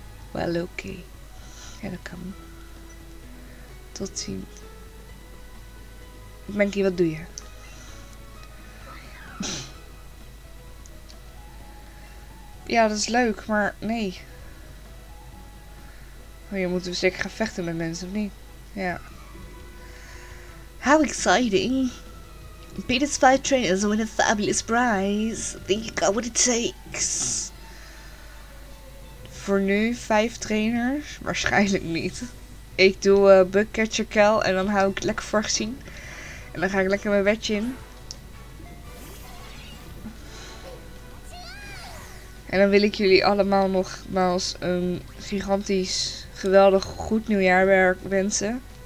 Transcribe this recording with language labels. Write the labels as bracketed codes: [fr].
[nl] Wel oké. Okay. Ja, dat kan. Tot ziens. Mankie, wat doe je? Ja, dat is leuk, maar nee. Maar je moet dus zeker gaan vechten met mensen, of niet? Ja. [en] How exciting. Peter's five trainers win a fabulous prize. Think you got what it takes. [nl] Voor nu 5 trainers? Waarschijnlijk niet. Ik doe Bugcatcher Kel en dan hou ik het lekker voor gezien. En dan ga ik lekker mijn wedge in. En dan wil ik jullie allemaal nogmaals een gigantisch, geweldig, goed nieuwjaarwerk wensen.